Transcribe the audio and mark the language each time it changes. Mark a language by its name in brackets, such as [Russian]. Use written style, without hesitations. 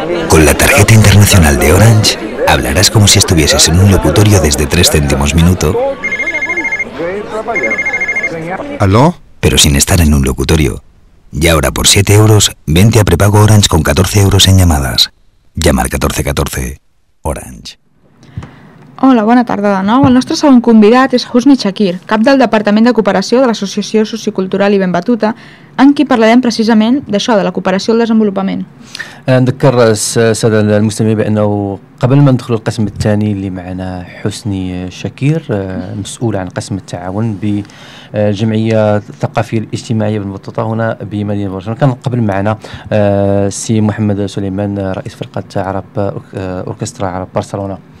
[Spanish] Con la tarjeta internacional de Orange, hablarás como si estuvieses en un locutorio desde 3 céntimos minuto. ¿Aló? Pero sin estar en un locutorio. Y ahora por 7 euros, vente a prepago Orange con 14 euros en llamadas. Llama al 1414. Orange. [Catalan] Hola, bona tarda de nou. El nostre segon convidat és Husni Chakir, cap del Departament de Cooperació de l'Associació Sociocultural i Ben Batuta, amb qui parlarem precisament d'això, de la cooperació al desenvolupament. [Arabic] نذكر السادة المستمعين بأنه قبل ما ندخل القسم الثاني اللي معنا حسني شاكير مسؤول عن قسم التعاون بجمعية الثقافية الاجتماعية بالبطوطة هنا بمدينة برشلونة، كان قبل معنا سي محمد سليمان رئيس فرقة عرب أوركسترا عرب برشلونة.